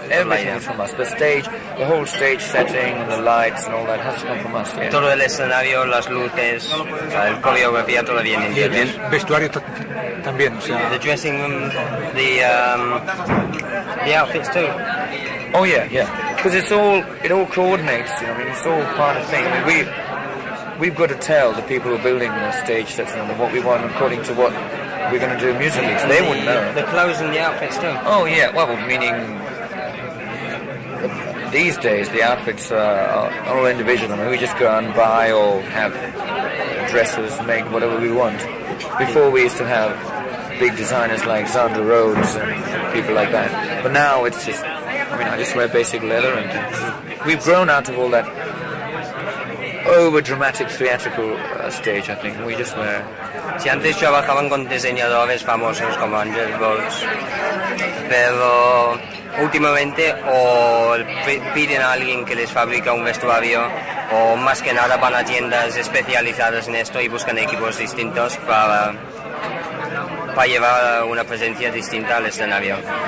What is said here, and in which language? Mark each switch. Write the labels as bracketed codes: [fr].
[en] Everything is from us. The stage, the whole stage setting, the lights and all that has to come from us. Yeah. [es] Todo el escenario, las luces, el coreografía, todo viene. Y el vestuario también, o sea. [en] The dressing room, the outfits too. Oh, yeah, yeah. Because it all coordinates, you know, I mean, it's all part of the thing. We've got to tell the people who are building the stage sets and what we want according to what we're going to do musically, so they wouldn't know. The clothes and the outfits too. Oh yeah, well meaning these days the outfits are all individual. I mean, we just go and buy or have dresses, make whatever we want. Before we used to have big designers like Xander Rhodes and people like that. But now it's just, I mean, I just wear basic leather and we've grown out of all that over dramatic theatrical stage, I think. We just wear. [es] Si antes trabajaban con diseñadores famosos como Andrew Bowles, pero últimamente o piden a alguien que les fabrica un vestuario, o más que nada van a tiendas especializadas en esto y buscan equipos distintos para llevar una presencia distinta al escenario.